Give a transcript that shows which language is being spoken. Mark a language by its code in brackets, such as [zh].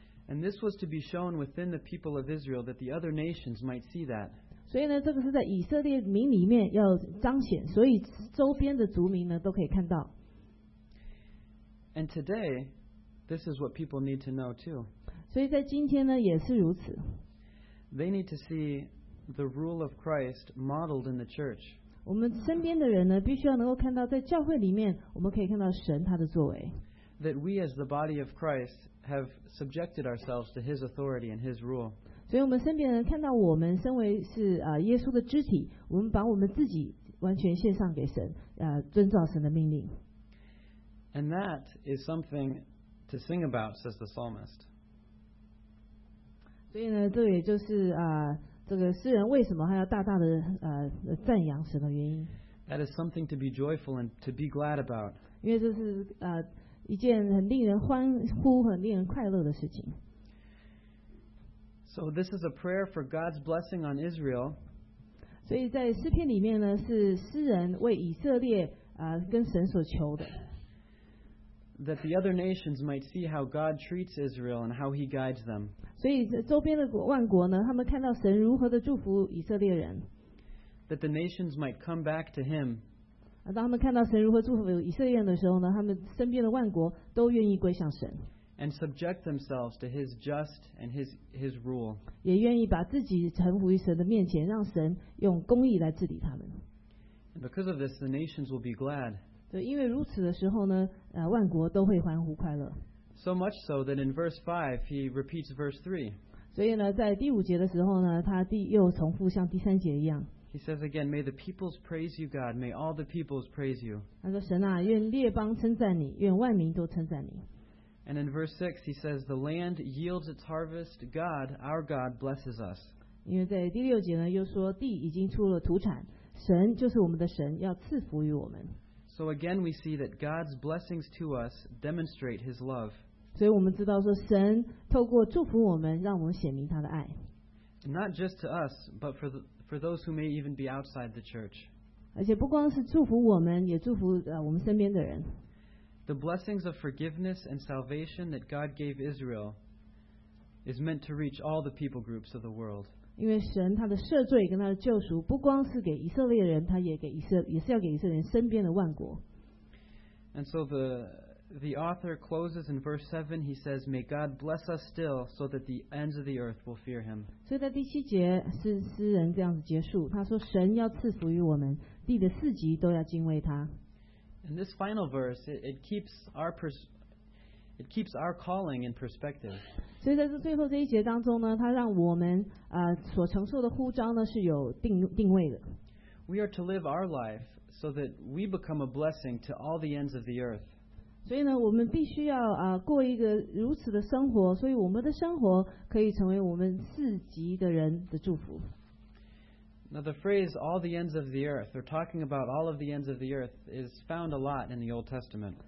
[en] And this was to be shown within the people of Israel that the other nations might see that. [zh] 所以呢，这个是在以色列民里面要彰显，所以周边的族民呢都可以看到。 [en] And today, this is what people need to know too. [zh] 所以在今天呢也是如此。 [en] They need to see the rule of Christ modeled in the church. [zh] 我们身边的人呢，必须要能够看到，在教会里面，我们可以看到神他的作为。 [en] That we as the body of Christ have subjected ourselves to His authority and His rule. [zh] 所以我们身边人看到我们身为是耶稣的肢体，我们把我们自己完全献上给神，遵照神的命令。 [en] And that is something to sing about, says the psalmist. [zh] 所以呢，这也就是这个诗人为什么还要大大的赞扬神的原因。 [en] That is something to be joyful and to be glad about. [zh] 因为这是一件很令人欢呼、很令人快乐的事情。 [en] So this is a prayer for God's blessing on Israel. [zh] 所以在诗篇里面呢，是诗人为以色列跟神所求的。 [en] That the other nations might see how God treats Israel and how He guides them. [zh] 所以周边的万国呢，他们看到神如何的祝福以色列人。 [en] That the nations might come back to Him. [zh] 当他们看到神如何祝福以色列人的时候呢，他们身边的万国都愿意归向神。 [en] And subject themselves to His just and His rule. [zh] 也愿意把自己臣服于神的面前，让神用公义来治理他们。 [en] And because of this, the nations will be glad. [zh] 对，因为如此的时候呢，万国都会欢呼快乐。 [en] So much so that in verse 5, he repeats verse 3. [zh] 所以呢, 在第五节的时候呢, 他又重复像第三节一样。 [en] He says again, may the peoples praise you, God. May all the peoples praise you. [zh] 他说神啊, 愿列邦称赞你, 愿万民都称赞你。 [en] And in verse 6, he says, the land yields its harvest. God, our God, blesses us. [zh] 因为在第六节呢, 又说, 地已经出了土产, 神就是我们的神, 要赐福于我们。 [en] So again, we see that God's blessings to us demonstrate His love. [zh] 所以我们知道说神透过祝福我们, [en] Not just to us, but for those who may even be outside the church. [zh] 而且不光是祝福我们, 也祝福, 我们身边的人。 [en] The blessings of forgiveness and salvation that God gave Israel is meant to reach all the people groups of the world. [zh] 因为神他的赦罪跟他的救赎, 不光是给以色列人, 他也给以色列人身边的万国。 [en] And so the author closes in verse 7, he says, may God bless us still so that the ends of the earth will fear him. [zh] 所以在第七节, 诗人这样子结束, 他说, 神要赐福于我们, 地的四极都要敬畏他。 [en] And this final verse, it keeps our calling in perspective. [zh] 所以在最后这一节当中呢, 它让我们, 所承受的呼召呢, 是有定位的。 [en] We are to live our life so that we become a blessing to all the ends of the earth. [zh] 所以呢, 我们必须要, 过一个如此的生活, 所以我们的生活可以成为我们四极的人的祝福。 [en] Now the phrase all the ends of the earth, or talking about all of the ends of the earth, is found a lot in the Old Testament.